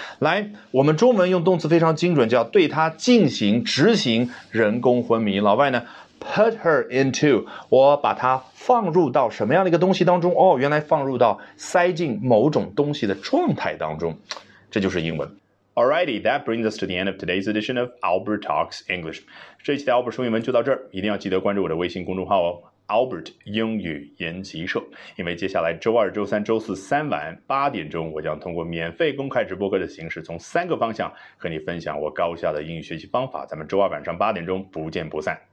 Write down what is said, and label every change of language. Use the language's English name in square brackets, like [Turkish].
[Chinese] 来，我们中文用动词非常精准，叫对他进行执行人工昏迷。老外呢 [English] Put her into, [Chinese] 我把它放入到什么样的一个东西当中？哦，原来放入到塞进某种东西的状态当中，这就是英文。 [English] Alrighty, that brings us to the end of today's edition of Albert Talks English. [Chinese] 这期的 Albert 说英文就到这儿，一定要记得关注我的微信公众号哦。 Albert 英语研习社，因为接下来周二、周三、周四三晚八点钟，我将通过免费公开直播课的形式，从三个方向和你分享我高效的英语学习方法。咱们周二晚上八点钟不见不散。